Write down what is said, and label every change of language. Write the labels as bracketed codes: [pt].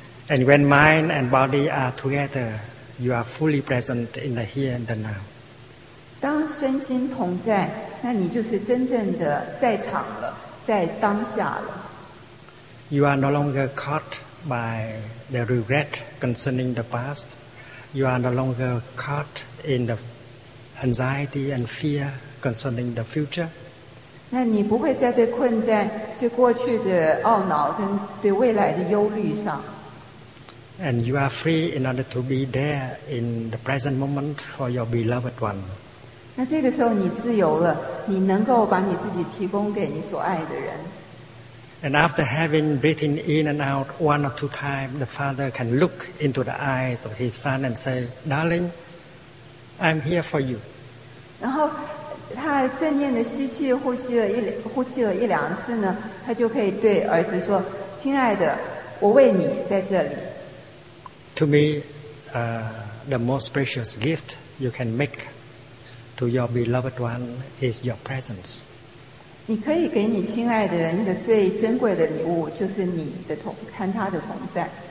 [en] And when mind and body are together, you are fully present in the here and the now. [zh] 当身心同在，那你就是真正的在场了，在当下了。 [en] You are no longer caught by the regret concerning the past. You are no longer caught in the anxiety and fear concerning the future. [zh] 那你不会再被困在对过去的懊恼跟对未来的忧虑上。 [en] And you are free in order to be there in the present moment for your beloved one. [zh] 那这个时候你自由了，你能够把你自己提供给你所爱的人。 [en] And after having breathing in and out one or two times, the father can look into the eyes of his son and say, "Darling, I'm here for you." [zh] 然后他正念的吸气，呼气了一两次呢，他就可以对儿子说：“亲爱的，我为你在这里。” [en] To me, the most precious gift you can make to your beloved one is your presence. [zh] 你可以给你亲爱的人一个最珍贵的礼物，就是你的同和他的同在。